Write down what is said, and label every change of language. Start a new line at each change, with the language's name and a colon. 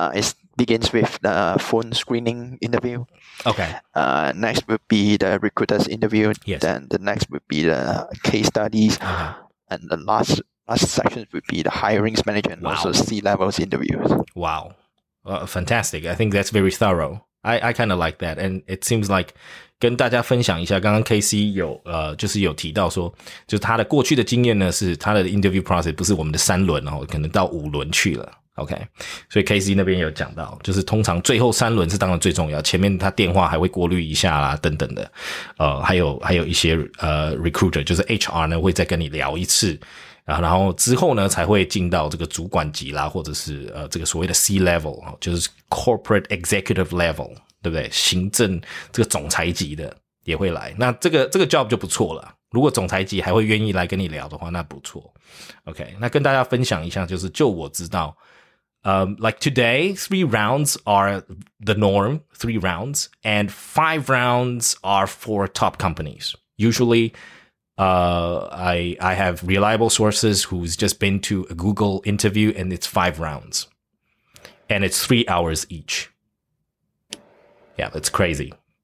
English: It begins with the phone screening interview. Okay. Next would be the recruiter's interview. Yes. Then the next would be the case studies, uh-huh. And the last section would be the hiring manager and also C-levels interviews. Wow, fantastic! I think that's very thorough. I kind of like that, and it seems like
Chinese: 跟大家分享一下，刚刚 KC 有就是有提到说，就是他的过去的经验呢，是他的 interview process 不是我们的三轮哦，可能到五轮去了。 OK， 所以 KC 那边有讲到，就是通常最后三轮是当然最重要，前面他电话还会过滤一下啦，等等的，还有一些recruiter 就是 HR 呢会再跟你聊一次。然后之后呢才会进到这个主管级啦，或者是这个所谓的 C-level, 就是 corporate executive level, 对不对，行政这个总裁级的也会来。那这个 job 就不错了，如果总裁级还会愿意来跟你聊的话，那不错。
English: OK,
Chinese: 那跟大家分享一下，就是就我知道
English: like today, 3 rounds are the norm, 3 rounds, and 5 rounds are for top companies. Usually,I have reliable sources who's just been to a Google interview and it's 5 rounds and it's 3 hours each. Yeah, that's crazy.